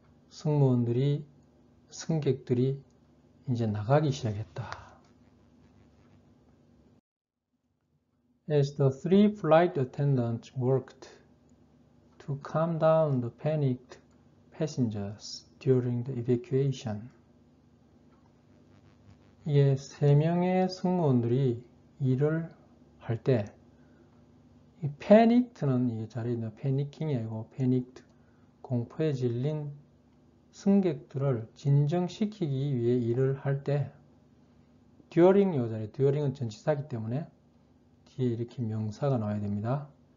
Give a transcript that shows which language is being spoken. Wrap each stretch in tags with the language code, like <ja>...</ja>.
<ko>승무원들이, 승객들이 이제 나가기 시작했다.</ko> <en>As the three flight attendants worked to calm down the panicked passengers during the evacuation.</en> <ko>이게 세 명의 승무원들이 일을 할 때, 이 패닉트는 이 자리에 있는 패닉킹이고, 패닉트, 공포에 질린 승객들을 진정시키기 위해 일을 할 때, during 이 자리, during은 전치사이기 때문에, 뒤에 이렇게 명사가 나와야 됩니다.</ko>